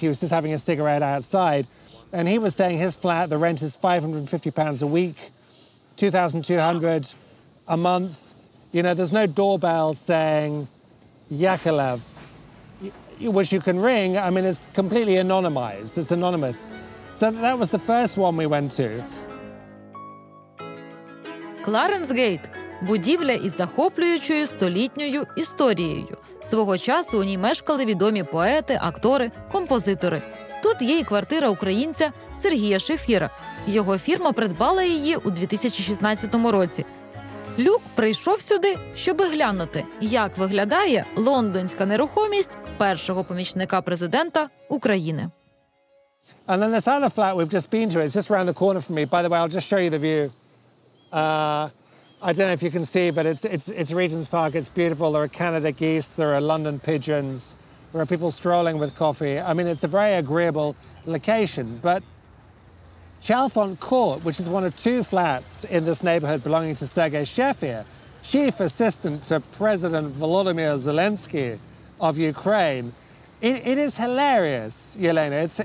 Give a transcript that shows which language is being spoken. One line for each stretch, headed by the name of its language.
English: He was just having a cigarette outside, and he was saying his flat, the rent is £550 a week, £2,200 a month. You know, there's no doorbell saying, Yakalev, which you can ring, I mean, it's completely anonymized. It's anonymous. So that was the first one we went to.
Ukrainian: Кларенс Гейт – будівля із захоплюючою столітньою історією. Свого часу у ній мешкали відомі поети, актори, композитори. Тут є і квартира українця Сергія Шефіра. Його фірма придбала її у 2016 році. Люк прийшов сюди, щоби глянути, як виглядає лондонська нерухомість першого помічника президента України.
English: And then this other flat we've just been to, it's just around the corner from me. By the way, I'll just show you the view. I don't know if you can see, but it's Regent's Park. It's beautiful. There are Canada geese, there are London pigeons, there are people strolling with coffee. I mean, it's a very agreeable location, but Chalfont Court, which is one of two flats in this neighborhood belonging to Sergei Shefir, chief assistant to President Volodymyr Zelensky of Ukraine, it is hilarious, Yelena.